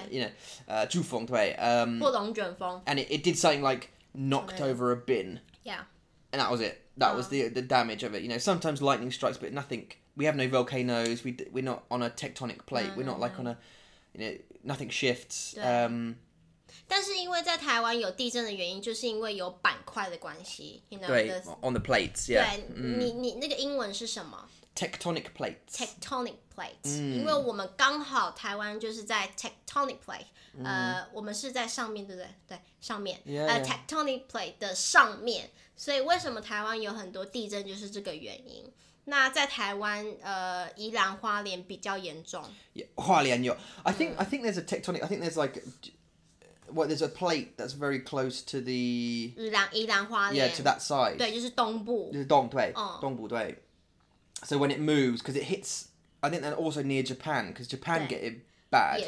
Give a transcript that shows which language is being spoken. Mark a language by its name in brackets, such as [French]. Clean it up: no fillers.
[English] You know, 飓风, 对. [Chinese] 或龙卷风. [English] And it did something like knocked over a bin. Yeah. And that was it. That was the damage of it. You know, sometimes lightning strikes, but nothing. We have no volcanoes. We're not on a tectonic plate. We're not like on a, you know, nothing shifts. [Chinese] 但是因为在台湾有地震的原因，就是因为有板块的关系。 [English] 对 ，on the plates. Yeah. [Chinese] 对，你那个英文是什么 [English] ？Tectonic plates. [Chinese] Tectonic plates. 因为我们刚好台湾就是在 tectonic plate. 我们是在上面，对不对？对，上面。 [English] Yeah. [Chinese] Tectonic plate 的上面。所以为什么台湾有很多地震就是这个原因。那在台湾宜兰花莲比较严重。 Yeah, 花莲有。 [English] I think there's a tectonic, I think there's like, well, there's a plate that's very close to the... [Chinese] 宜兰花莲。 [English] Yeah, to that side. [Chinese] 对，就是东部。就是东，对。东部，对。 [English] So when it moves, because it hits, I think they're also near Japan, because Japan get it bad.